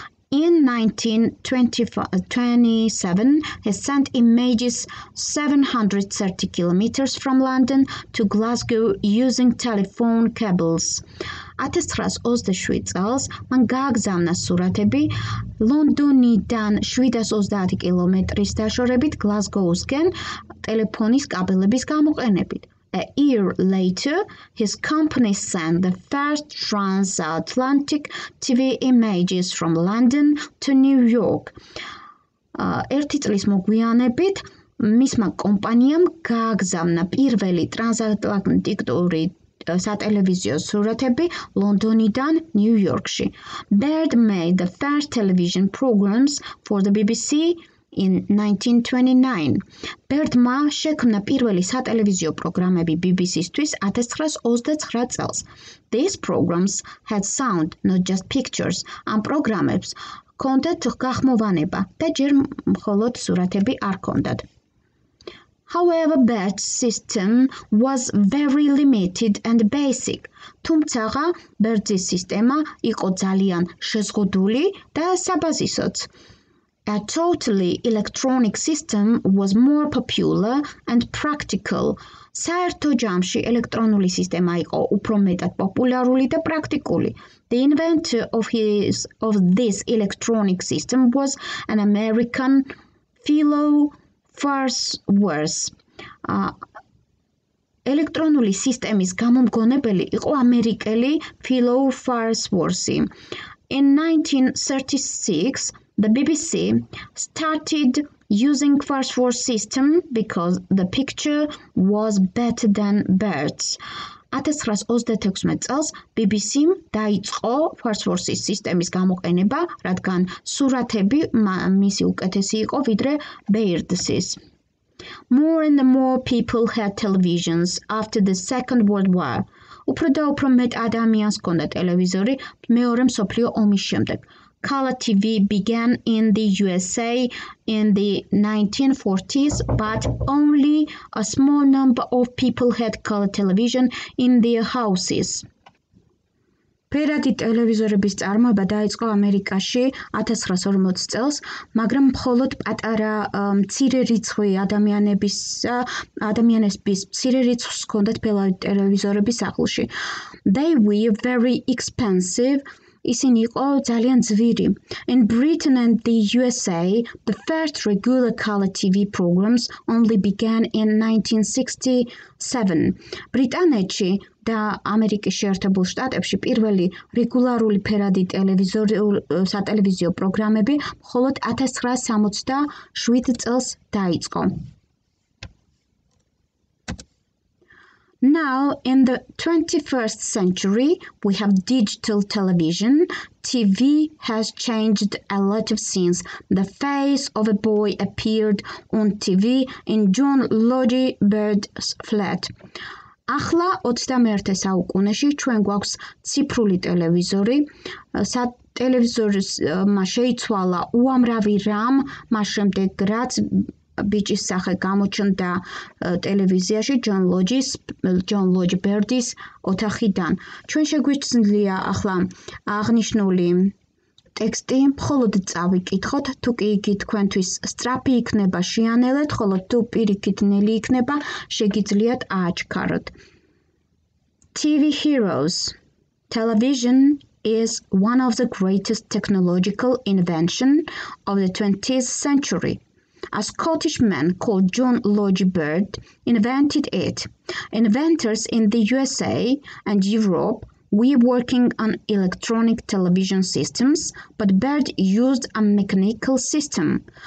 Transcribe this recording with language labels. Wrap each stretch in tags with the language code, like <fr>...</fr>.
<en>In 1927, he sent images 730 kilometers from London to Glasgow using telephone cables.</en> <ka>1927 წელს მან გააგზავნა სურათები ლონდონიდან 730 კილომეტრის დაშორებით გლასგოუსკენ ტელეფონის კაბელების გამოყენებით.</ka> <en>A year later, his company sent the first transatlantic TV images from London to New York.</en> <ka>Ერთი წლის მოგვიანებით მისმა კომპანიამ გააგზავნა პირველი ტრანსატლანტიკური სატელევიზიო სურათები ლონდონიდან ნიუ-იორკში.</ka> <en>Baird made the first television programs for the BBC in 1929.</en> <ka>Baird-მა შექმნა პირველი სატელევიზიო პროგრამები BBC-სთვის 1929 წელს.</ka> <en>These programs had sound, not just pictures.</en> <ka>ამ პროგრამებს ჰქონდათ გახმოვანება და ჯერ მხოლოდ სურათები არ ჰქონდათ.</ka> <en>However, Baird's system was very limited and basic.</en> <ka>თუმცა Baird-ის სისტემა იყო ძალიან შეზღუდული და საბაზისოც.</ka> <en>A totally electronic system was more popular and practical.</en> <ka>საერთო ჯამში ელექტრონული სისტემა იყო უფრო მეტად პოპულარული და პრაქტიკული.</ka> <en>The inventor of this electronic system was an American Philo Farnsworth.</en> <ka>ელექტრონული სისტემის გამომგონებელი იყო ამერიკელი Philo Farnsworth.</ka> <en>In 1936, the BBC started using Farnsworth system because the picture was better than Baird's.</en> <ka>1936 წელს BBC-მ დაიწყო Farnsworth-ის სისტემის გამოყენება, რადგან სურათები მისი უკეთესი იყო ვიდრე Baird-ის.</ka> <en>More and more people had televisions after the Second World War.</en> <ka>უფრო და უფრო მეტ ადამიანს ჰქონდა ტელევიზორი მეორე მსოფლიო ომის შემდეგ.</ka> <en>Color TV began in the USA in the 1940s, but only a small number of people had color television in their houses.</en> <ka>Пераді телевізорების წარმოება დაიწყო ამერიკაში 1940 წელს, მაგრამ მხოლოდ პატარა მცირე რიცხვი ადამიანების მცირე რიცხვს ჰქონდათ ფელავი ტელევიზორების სახლში.</ka> <en>They were very expensive.</en> <ka>ისინი იყო ძალიან ძვირი.</ka> <en>In Britain and the USA, the first regular color TV programs only began in 1967.</en> <ka>ბრიტანეთში და ამერიკის შეერთებულ შტატებში პირველი რეგულარული ფერადი სატელევიზიო პროგრამები მხოლოდ 1967 წელს დაიწყო.</ka> <en>Now, in the 21st century, we have digital television. TV has changed a lot of scenes. The face of a boy appeared on TV in John Logie Baird's flat.</en> <ka>ახლა 21 საუკუნეში ჩვენ გვაქვს ციფრული ტელევიზორი. სატელევიზორმა შეიცვალა უამრავი რამ, მას შემდეგ რაც ბიჭის სახე გამოჩნდა ტელევიზიაში ჯონ ლოჯი ბერდის ოთახიდან. ჩვენ შეგვიცნლია ახლა აღნიშნული ტექსტი, მხოლოდ წავიკითხოთ, თუ კი იგი თქვენთვის სტრაფი იქნება შეანელეთ, ხოლო თუ პირიქით ნელი იქნება შეგიძლიათ ააჩქაროთ.</ka> <en>TV heroes. Television is one of the greatest technological invention of the 20th century. A Scottish man called John Logie Baird invented it. Inventors in the USA and Europe were working on electronic television systems, but Baird used a mechanical system.</en>